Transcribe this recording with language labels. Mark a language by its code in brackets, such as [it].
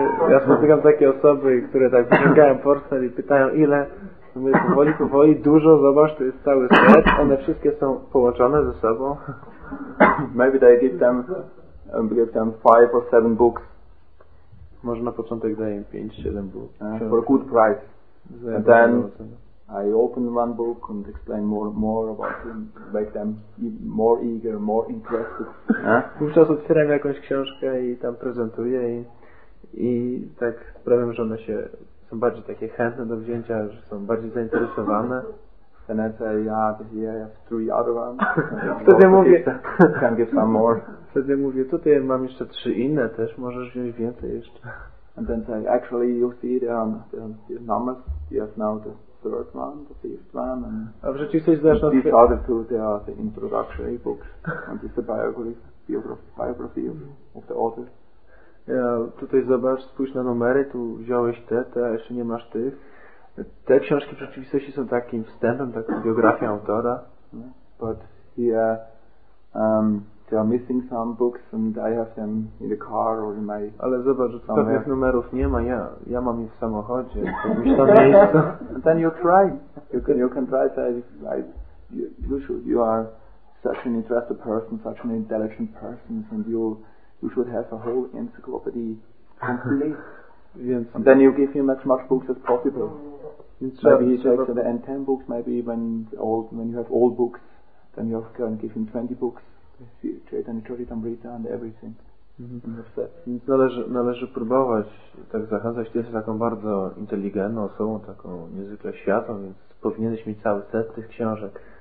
[pl] Ja spotykam takie osoby, które tak wyciągają portfel i pytają, ile? My powoli, dużo, zobacz, to jest cały set, one wszystkie są połączone ze sobą. [en] Maybe they give them 5 or 7 books. [pl] Może na początek daję 5-7 book. [en] For a good price. And then I open one book and explain more about them, make them more eager, more interested. [pl] Wówczas otwieram jakąś książkę i tam prezentuję i tak sprawiam, że one się są bardziej takie chętne do wzięcia, że są bardziej zainteresowane. [en] Then I say, here I have 3 other ones. [pl] Wtedy mówię, [en] can give some more. [pl] Wtedy mówię, tutaj mam jeszcze 3 inne też, możesz wziąć więcej jeszcze. [en] And then say, actually you see the numbers, you have now the third one, the fifth one, and [pl] a w rzeczywistości zdajesz na [en] these other two, they are the introductory books, and it's the biography of the author. [pl] tutaj zobacz, spójrz na numery, tu wziąłeś te, jeszcze nie masz tych. Te książki w rzeczywistości są takim wstępem, taką biografią autora. [en] But here there are missing some books and I have them in the car or in my... [pl] Ale zobacz, że pewnych numerów nie ma, ja mam je w samochodzie, pójdź to miejsce. [en] Then you try. You can try to write. You are such an interesting person, such an intelligent person, and you should have a whole encyclopedia complete. And then you give him as much books as possible. Maybe he takes the end 10 books. Maybe when you have old books, then you can give him 20 books. Czytanie Czoritamrita and everything. [pl] Więc należy próbować tak zachęcać. Ty jesteś taką bardzo inteligentną osobą, taką niezwykle światą, więc powinieneś mieć cały set tych książek.